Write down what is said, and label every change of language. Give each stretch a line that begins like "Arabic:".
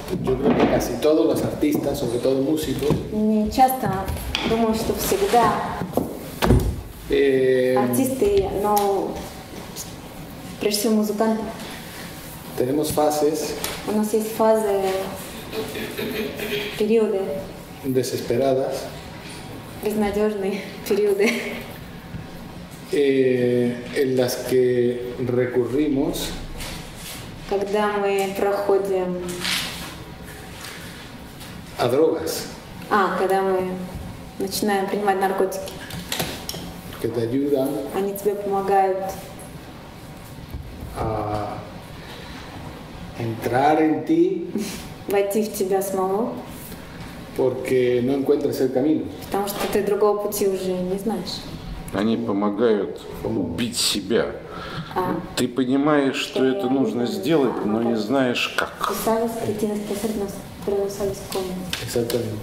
Spanish: Yo creo que casi todos los artistas, sobre todo músicos.
Russian: Не часто, думаю, что всегда. Артисты, но прежде всего музыканты.
Spanish: Tenemos fases.
Russian: У нас есть фазы, периоды.
Spanish: Desesperadas.
Russian: Безнадежные периоды.
Spanish: En las que recurrimos.
Russian: Когда мы проходим...
Spanish: А drogas.
Russian: А, когда мы начинаем принимать наркотики.
Spanish: Porque te ayudan.
Russian: Они тебе помогают.
Spanish: A entrar en ti.
Russian: Войти в тебя самого.
Spanish: Porque no encuentras el camino.
Russian: Потому что ты другого пути уже не знаешь. Они помогают убить себя. Ты понимаешь, что это нужно сделать, но не знаешь как. Ты
Spanish: sabes que tienes que hacer,
Russian: но
Spanish: no sabes cómo.